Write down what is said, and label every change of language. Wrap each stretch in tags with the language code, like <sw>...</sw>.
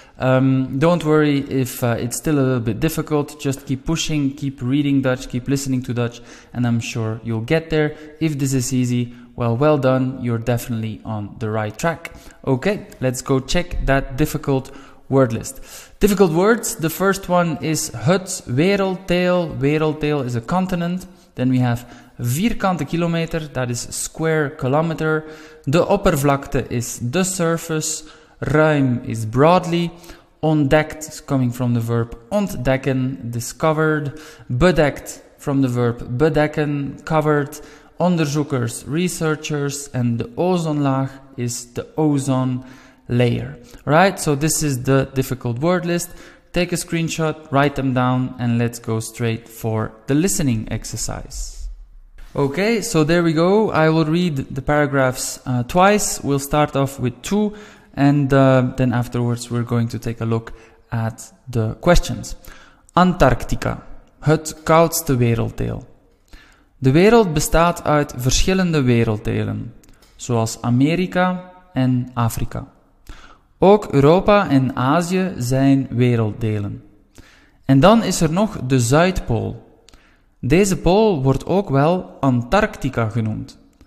<en>Don't worry if it's still a little bit difficult. Just keep pushing, keep reading Dutch, keep listening to Dutch, and I'm sure you'll get there. If this is easy, well done, you're definitely on the right track. Okay, let's go check that difficult word list. Difficult words. The first one is het werelddeel. Werelddeel is a continent. Then we have vierkante kilometer, that is square kilometer. De oppervlakte is the surface. Ruim is broadly. Ontdekt is coming from the verb ontdekken, discovered. Bedekt from the verb bedekken, covered. Onderzoekers, researchers. And de ozonlaag is the ozone layer. Right, so this is the difficult word list. Take a screenshot, write them down, and let's go straight for the listening exercise. Okay, so there we go. I will read the paragraphs twice. We'll start off with two, and then afterwards we're going to take a look at the questions.</en> <nl>Antarctica, het koudste werelddeel. De wereld bestaat uit verschillende werelddelen, zoals Amerika en Afrika. Ook Europa en Azië zijn werelddelen. En dan is er nog de Zuidpool. Deze pool wordt ook wel Antarctica genoemd.</nl>